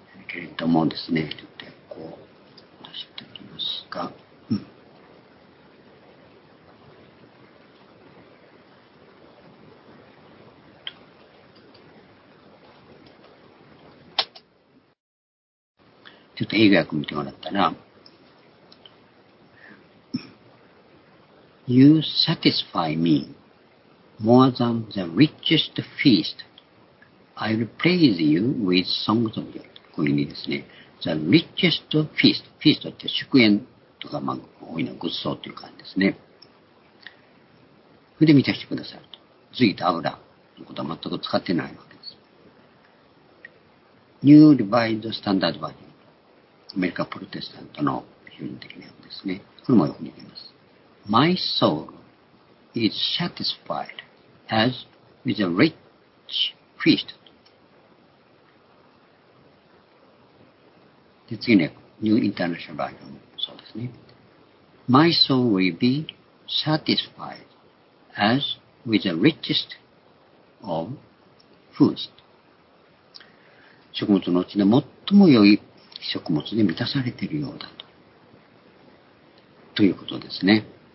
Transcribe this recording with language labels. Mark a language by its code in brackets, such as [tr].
[ja] けれどもですね、ちょっとこう出しておきますが、ちょっと英語訳見てもらったら、 [en] You satisfy me more than the richest feast. I will praise you with songs of joy. [ja] こういうふうにですね、 [en] The richest feast. [ja] フィストって祝宴とか、まあ、多いのはごちそうという感じですね。それで満たしてくださると。髄と油のことは全く使ってないわけです。 [en] New Revised Standard Version. [ja] アメリカプロテスタントの基本的なやつですね。これもよく似ています。 [en] My soul is satisfied as with a rich feast. [ja] で、次ね、New International Version もそうですね。 [en] My soul will be satisfied as with the richest of foods. [ja] 食物のうちで最も良い食物で満たされているようだと。ということですね。